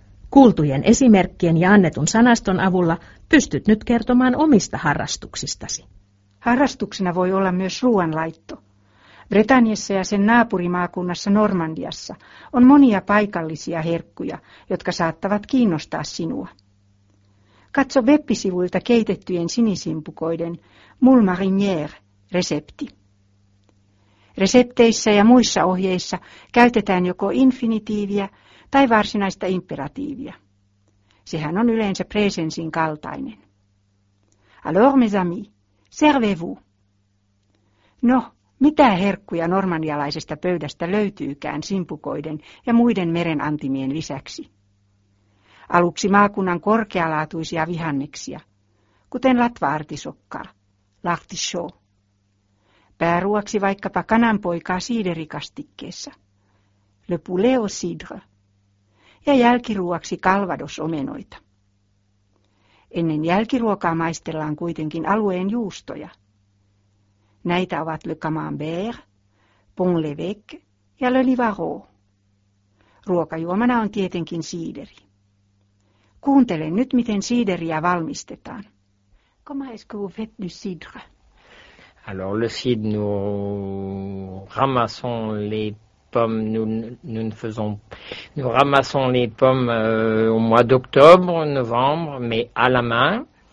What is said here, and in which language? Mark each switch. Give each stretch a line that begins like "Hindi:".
Finnish: Kuultujen esimerkkien ja annetun sanaston avulla pystyt nyt kertomaan omista harrastuksistasi. Harrastuksena voi olla myös ruoanlaitto. Britanniassa ja sen naapurimaakunnassa Normandiassa on monia paikallisia herkkuja, jotka saattavat kiinnostaa sinua. Katso web-sivuilta keitettyjen sinisimpukoiden Moule Marinière resepti. Resepteissä ja muissa ohjeissa käytetään joko infinitiiviä tai varsinaista imperatiivia. sehän on yleensä presensin kaltainen.
French: Alors, mes amis, servez-vous.
Finnish: No, mitä herkkuja normandialaisesta pöydästä löytyykään simpukoiden ja muiden meren antimien lisäksi? Aluksi maakunnan korkealaatuisia vihanneksia, kuten latva-artisokkaa, l'artichaut. Pääruoksi vaikkapa kananpoikaa siiderikastikkeessa,
French: le poulet au cidre.
Finnish: Ja jälkiruoksi kalvadosomenoita. Ennen jälkiruokaa maistellaan kuitenkin alueen juustoja. Näitä ovat le camembert, pont l'évêque ja le livaro. Ruokajuomana on tietenkin siideri. Kuuntelen nyt, miten siideriä valmistetaan.
French: Comment est-ce que vous faites du cidre? Alors le cidre, nous ramassons les pommes, nous ramassons les pommes au mois d'octobre, novembre, mais à la main.